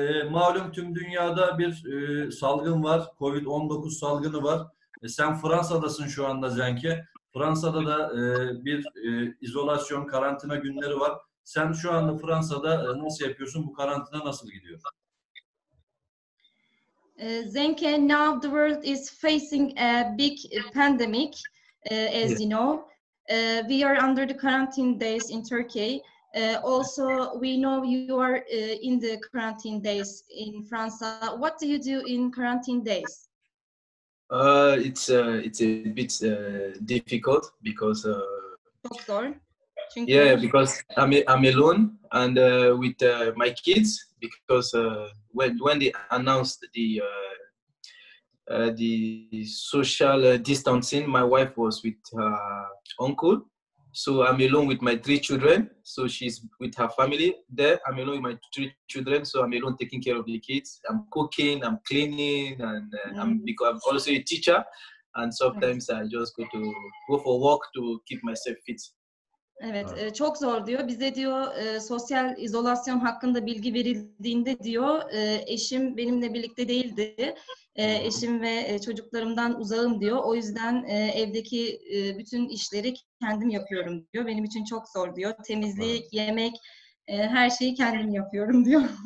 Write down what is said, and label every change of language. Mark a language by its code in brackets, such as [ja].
[tr] Malum tüm dünyada bir salgın var, COVID-19 salgını var. Sen Fransa'dasın şu anda Zenke. Fransa'da da bir izolasyon, karantina günleri var. Sen şu anda Fransa'da nasıl yapıyorsun, bu karantina nasıl gidiyor? [en] Zenke, now the world is facing a big pandemic, as you know. We are under the quarantine days in Turkey. Also, we know you are in the quarantine days in France. What do you do in quarantine days? It's a bit difficult because. Doctor. Yeah, because I'm alone and with my kids, because when they announced the social distancing, my wife was with her uncle, so I'm alone with my three children. So she's with her family there. I'm alone with my three children, so I'm alone taking care of the kids. I'm cooking, I'm cleaning, and because I'm also a teacher, and sometimes I just go for a walk to keep myself fit. [tr] Evet, çok zor diyor. Bize diyor sosyal izolasyon hakkında bilgi verildiğinde diyor eşim benimle birlikte değildi. Eşim ve çocuklarımdan uzağım diyor. O yüzden evdeki bütün işleri kendim yapıyorum diyor. Benim için çok zor diyor. Temizlik, yemek, her şeyi kendim yapıyorum diyor.